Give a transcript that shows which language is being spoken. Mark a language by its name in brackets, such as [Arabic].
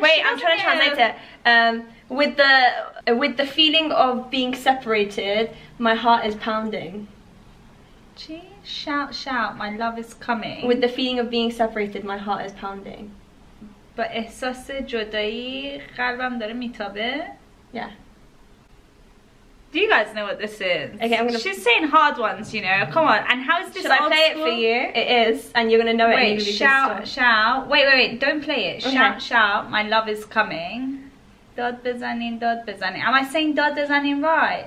[English] Wait, I'm trying to translate it. With the feeling of being separated, my heart is pounding. Chi shout. My love is coming. With the feeling of being separated, my heart is pounding. [Persian] با احساس جدایی قلبم داره میتابه. [English] Yeah. Do you guys know what this is? Okay, I'm gonna. She's saying hard ones, you know. Come on. And how is this? Should I play it for you? It is, and you're gonna know it. Wait, shout. Wait. Don't play it. Shout. My love is coming. داد بزنین. Am I saying داد بزنین right?